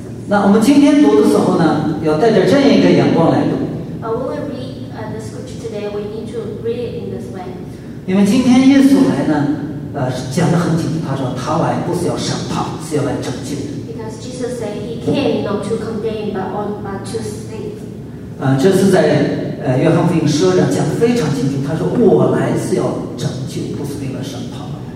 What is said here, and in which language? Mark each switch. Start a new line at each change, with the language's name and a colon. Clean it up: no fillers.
Chinese: 那我们今天读的时候呢，要带着这样一个眼光来读。
English: We will read. In this way.
Chinese: 因为今天耶稣来呢，讲得很清楚，他说他来不是要审判，是要来拯救的。
English: Because Jesus said he came not to condemn, but to save.
Chinese: 这是在约翰福音十二章讲得非常清楚，他说我来是要拯救，不是为了审判。